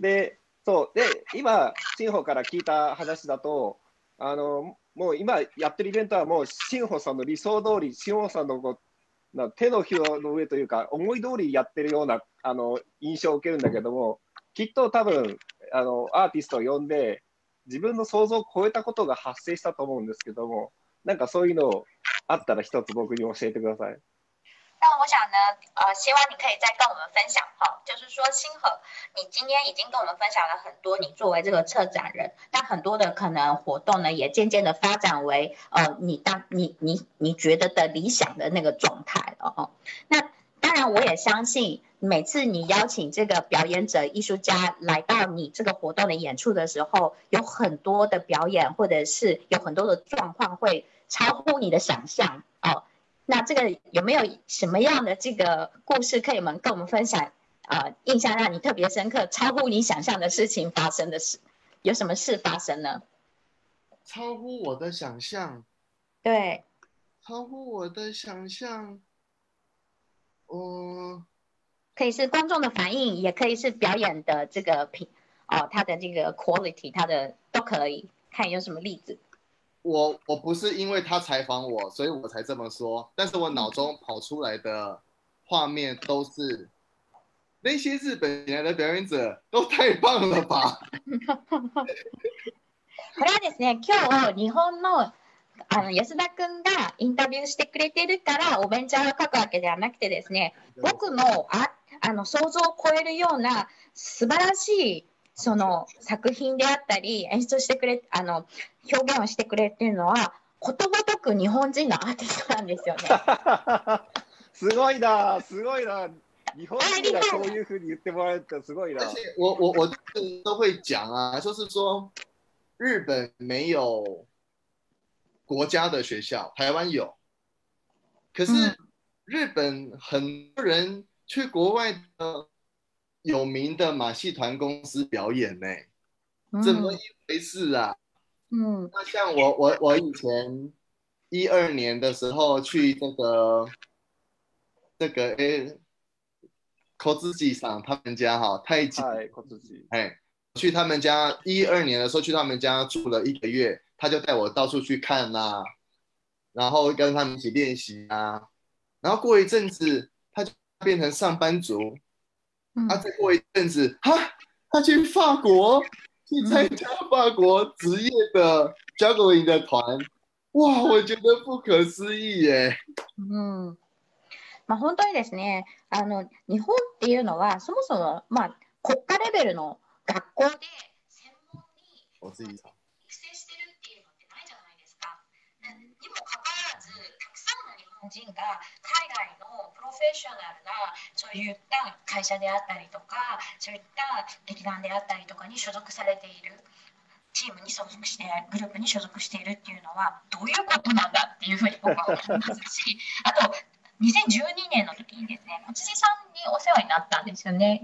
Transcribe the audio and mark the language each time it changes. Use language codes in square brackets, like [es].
[ja] で、そう、で、今、シンホから聞いた話だと、もう今やってるイベントは、もうシンホさんの理想通り、シンホさんの手のひらの上というか、思い通りやってるような印象を受けるんだけども、きっと多分、アーティストを呼んで、自分の想像を超えたことが発生したと思うんですけども、なんかそういうのあったら一つ僕に教えてください。 [zh] 那我想呢，希望你可以再跟我们分享哈，就是说星河，你今天已经跟我们分享了很多，你作为这个策展人，那很多的可能活动呢，也渐渐的发展为你觉得的理想的那个状态了哈。那当然，我也相信每次你邀请这个表演者、艺术家来到你这个活动的演出的时候，有很多的表演，或者是有很多的状况会超乎你的想象哦。那这个有没有什么样的这个故事可以跟我们分享？印象让你特别深刻、超乎你想象的事情发生的事，有什么事发生呢？超乎我的想象。对。超乎我的想象。可以是观众的反应，也可以是表演的这个品哦，它的这个 quality， 它的都可以看有什么例子。我不是因为他采访我，所以我才这么说。但是我脑中跑出来的画面都是那些日本来的表演者都太棒了吧。 [ja] これはですね、今日日本の安田くんがインタビューしてくれてるからお弁当を書くわけではなくてですね、僕の想像を超えるような素晴らしいその作品であったり演出してくれ表現をしてくれっていうのは、ことごとく日本人のアーティストなんですよね。すごいな、すごいな、日本人がそういうふうに言ってもらえるってすごいな。 [zh] 我都会讲啊，就是说日本没有国家的学校，台湾有，可是日本很多人去国外的有名的马戏团公司表演呢、欸，怎么一回事啊？那像我以前2012年的时候去这个柯志吉上他们家哈，太极柯志吉，哎，去他们家一二年的时候去他们家住了一个月，他就带我到处去看啦、啊，然后跟他们一起练习啊，然后过一阵子他就变成上班族，啊，再过一阵子哈，他去法国去参加法国职业的 juggling 的团，哇，我觉得不可思议耶。嗯。 [ja] まあ、本当にですね、あの日本っていうのはそもそも、まあ、国家レベルの学校で専門に育成してるっていうのってないじゃないですか。にもかかわらずたくさんの日本人が海外のプロフェッショナルなそういった会社であったりとかそういった劇団であったりとかに所属されているチームに所属してグループに所属しているっていうのはどういうことなんだっていうふうに僕は思いますし、あと2012年の時にですね、小辻さんにお世話になったんですよね。